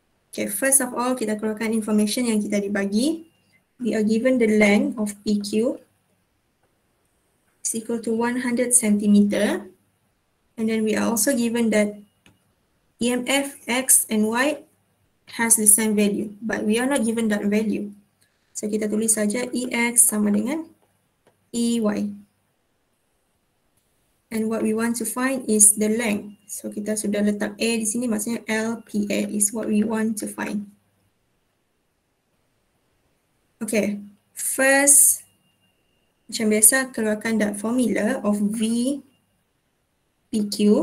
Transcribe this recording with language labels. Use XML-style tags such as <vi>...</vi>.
<en>Okay, first of all,</en> <ms>kita keluarkan information yang kita dibagi.</ms> <en>We are given the length of PQ is equal to 100 centimeter. And then we are also given that EMF X and Y has the same value, but we are not given that value.</en> <ms>So kita tulis saja EX sama dengan EY.</ms> <en>And what we want to find is the length.</en> <ms>So kita sudah letak A di sini, maksudnya LPA</ms> <en>is what we want to find. Okay, first,</en> <ms>macam biasa keluarkan</ms> <en>that formula of V PQ.</en>